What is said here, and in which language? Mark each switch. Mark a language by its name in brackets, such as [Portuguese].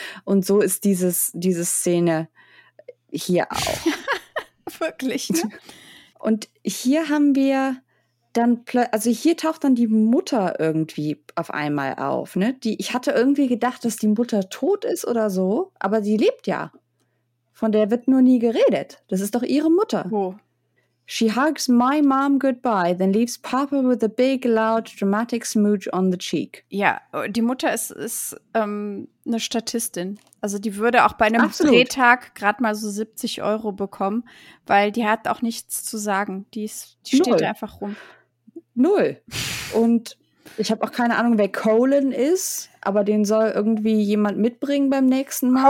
[German] Und so ist diese Szene hier auch. Wirklich, ne? Und hier haben wir dann, also hier taucht dann die Mutter irgendwie auf einmal auf, ne? Ich hatte irgendwie gedacht, dass die Mutter tot ist oder so, aber sie lebt ja. Von der wird nur nie geredet. Das ist doch ihre Mutter. Oh. [English] She hugs my mom goodbye, then leaves Papa with a big, loud, dramatic smooch on the cheek. [German] Ja, die Mutter ist eine Statistin. Also die würde auch bei einem Drehtag gerade mal so 70 Euro bekommen, weil die hat auch nichts zu sagen. Die steht einfach rum. Null. Und ich habe auch keine Ahnung, wer Colin ist, aber den soll irgendwie jemand mitbringen beim nächsten Mal.